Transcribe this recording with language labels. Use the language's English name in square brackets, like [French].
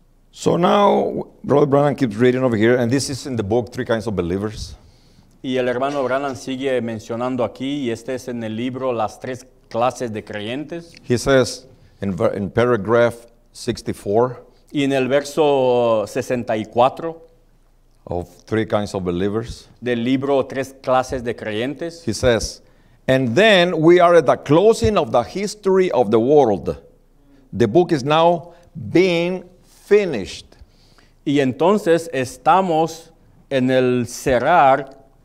[English] So now, Brother Branham keeps reading over here, and this is in the book, Three Kinds of Believers. [Spanish] Y el hermano Branham sigue mencionando aquí, y este es en el libro, Las Tres Clases de Creyentes. [English] He says, in paragraph 64. [Spanish] Y en el verso 64. [English] Of Three Kinds of Believers. [Spanish] Del libro, Tres Clases de Creyentes. [English] He says, and then we are at the closing of the history of the world. The book is now being finished. [Spanish] Y entonces estamos en el cerrar